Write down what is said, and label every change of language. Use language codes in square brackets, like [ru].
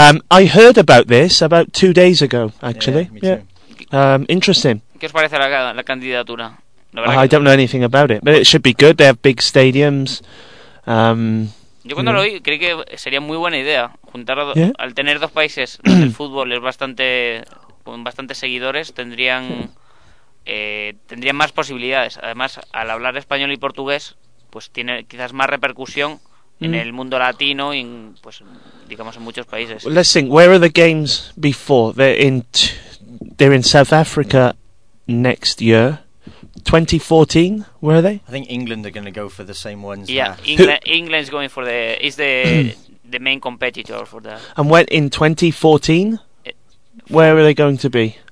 [en] I heard about this about 2 days ago, actually. Yeah. Interesting. [es] ¿Qué os parece la candidatura? [en] I don't know anything about it, but it should be good. They have big stadiums. [es] Yo cuando lo oí, creí que sería muy buena idea juntar al tener dos países. El fútbol es bastante, con bastantes seguidores, tendrían más posibilidades. Además, al hablar español y portugués, pues tiene quizás más repercusión en el mundo latino y, pues, digamos, en muchos países. [en] Well, let's think, where are the games before? They're in South Africa next year. 2014, where are they? I think England are going to go for the same ones. Yeah, England's going for the main competitor for that. And when in 2014, where are they going to be?